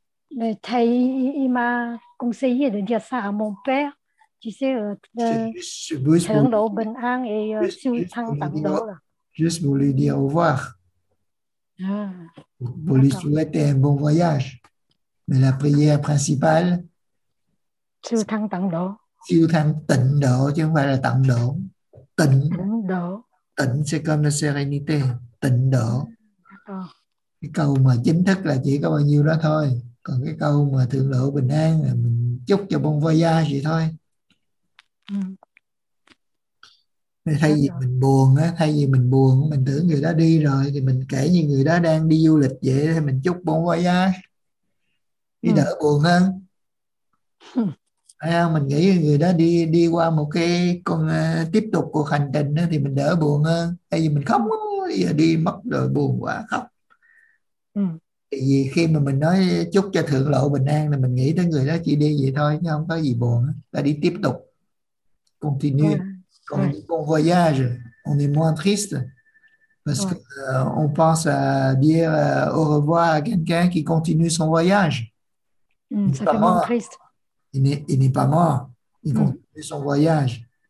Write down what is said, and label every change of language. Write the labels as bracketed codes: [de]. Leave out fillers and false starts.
[fr] Le thầy, il m'a conseillé de dire ça à mon père. Tu sais, juste pour lui dire au revoir. Ah, pour lui souhaiter un bon voyage. Mais la prière principale, [vi] siêu thăng tịnh độ chứ không phải là tận độ. Tịnh độ. Tịnh sẽ con là serenity, tịnh độ. Cái câu mà chính thức là chỉ có bao nhiêu đó thôi. Còn cái câu mà thượng lộ bình an là mình chúc cho [fr] bon voyage [vi] vậy thôi. Thay vì mình buồn á, thay vì mình buồn, mình tưởng người đó đi rồi thì mình kể như người đó đang đi du lịch vậy, thì mình chúc [fr] bon voyage. [vi] Đi đỡ buồn hơn. Thấy không? Mình nghĩ người đó đi đi qua một cái con tiếp tục cuộc hành trình á, thì mình đỡ buồn hơn. Thay vì mình khóc, giờ đi mất rồi buồn quá khóc. Vì khi mà mình nói chúc cho thượng lộ bình an thì mình nghĩ tới người đó chỉ đi vậy thôi chứ không có gì buồn, ta đi tiếp tục continue. [fr] On dit bon voyage, on est moins triste parce que on pense à dire au revoir à quelqu'un qui continue son voyage. Ça fait moins triste. Il n'est pas mort, il continue son voyage.